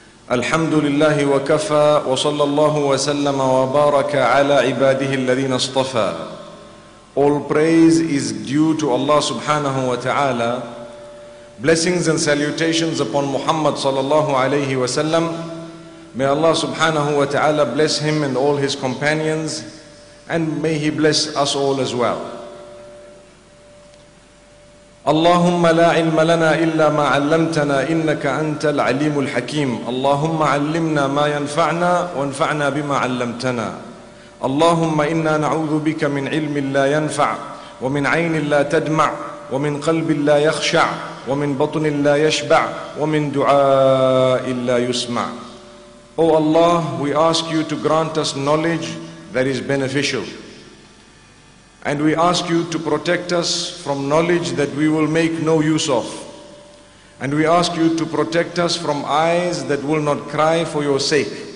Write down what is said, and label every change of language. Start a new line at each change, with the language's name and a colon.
Arabic: الحمد لله وكفى وصلى الله وسلم وبارك على عباده الذين اصطفى.
English: All praise is due to Allah subhanahu wa ta'ala. Blessings and salutations upon Muhammad sallallahu alayhi wa sallam. May Allah subhanahu wa ta'ala bless him and all his companions, and may he bless us all as well.
Arabic: اللهم لا علم لنا إلا ما علمتنا إنك أنت العليم الحكيم اللهم علمنا ما ينفعنا وانفعنا بما علمتنا اللهم إنا نعوذ بك من علم لا ينفع ومن عين لا تدمع ومن قلب لا يخشع ومن بطن لا يشبع ومن دعاء لا يسمع.
English: O Allah, we ask you to grant us knowledge that is beneficial. And we ask you to protect us from knowledge that we will make no use of. And we ask you to protect us from eyes that will not cry for your sake.